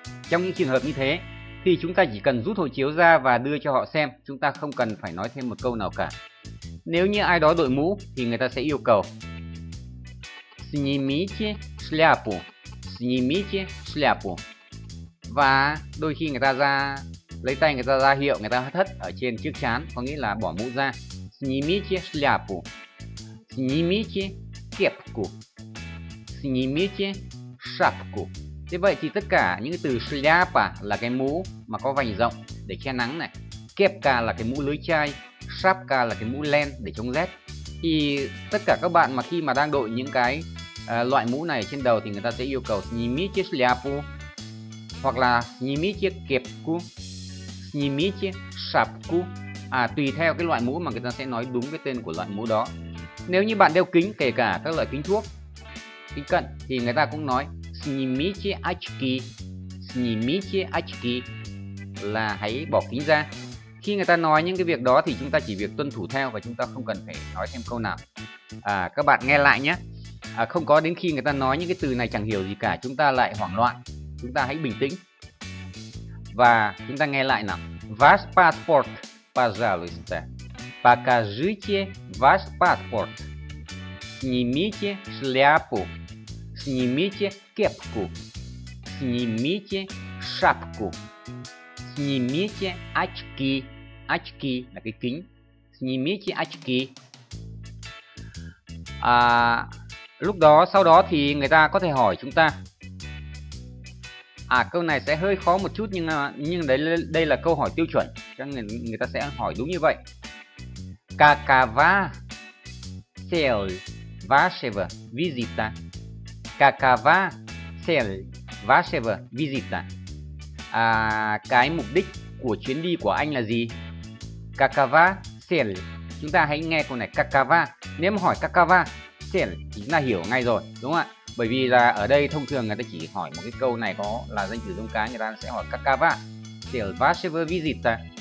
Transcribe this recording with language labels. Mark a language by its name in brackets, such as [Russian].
[Vietnamese] Trong những trường hợp như thế thì chúng ta chỉ cần rút hộ chiếu ra và đưa cho họ xem, chúng ta không cần phải nói thêm một câu nào cả. Nếu như ai đó đội mũ thì người ta sẽ yêu cầu [Russian] снимите шляпу, снимите шляпу. [Vietnamese] Và đôi khi người ta ra lấy tay người ta ra hiệu, người ta thất ở trên chiếc trán, có nghĩa là bỏ mũ ra. [Russian] Снимите шляпу, снимите кепку, снимите шапку. [Vietnamese] Thế vậy thì tất cả những từ шляпа là cái mũ mà có vành rộng để che nắng này, кепка là cái mũ lưới chai, шапка là cái mũ len để chống rét, thì tất cả các bạn mà khi mà đang đội những cái loại mũ này trên đầu thì người ta sẽ yêu cầu [Russian] снимите шляпу [Vietnamese] hoặc là [Russian] снимите кепку, снимите шапку. [Vietnamese] À, tùy theo cái loại mũ mà người ta sẽ nói đúng cái tên của loại mũ đó. Nếu như bạn đeo kính, kể cả các loại kính thuốc, kính cận, thì người ta cũng nói [Russian] снимите очки, снимите очки, [Vietnamese] là hãy bỏ kính ra. Khi người ta nói những cái việc đó thì chúng ta chỉ việc tuân thủ theo và chúng ta không cần phải nói thêm câu nào. À, các bạn nghe lại nhé. À, không có đến khi người ta nói những cái từ này chẳng hiểu gì cả chúng ta lại hoảng loạn. Chúng ta hãy bình tĩnh và chúng ta nghe lại nào. [Russian] Ваш паспорт, пожалуйста. Покажите ваш паспорт. Снимите шляпу. Снимите кепку. Снимите шапку. Снимите очки. [Vietnamese] Очки là cái kính. [Russian] Снимите очки. [Vietnamese] À, lúc đó, sau đó thì người ta có thể hỏi chúng ta. À, câu này sẽ hơi khó một chút nhưng đây là câu hỏi tiêu chuẩn. Cho nên người ta sẽ hỏi đúng như vậy. [Russian] Какова цель вашего визита? Какова цель вашего визита? [Vietnamese] À, cái mục đích của chuyến đi của anh là gì? [Russian] Какова цель? [Vietnamese] Chúng ta hãy nghe câu này. [Russian] Какова? [Vietnamese] Nếu mà hỏi [Russian] какова цель [Vietnamese] thì chúng ta hiểu ngay rồi, đúng không ạ? Bởi vì là ở đây thông thường người ta chỉ hỏi một cái câu này có là danh từ giống cái, người ta sẽ hỏi [Russian] какова цель вашего визита?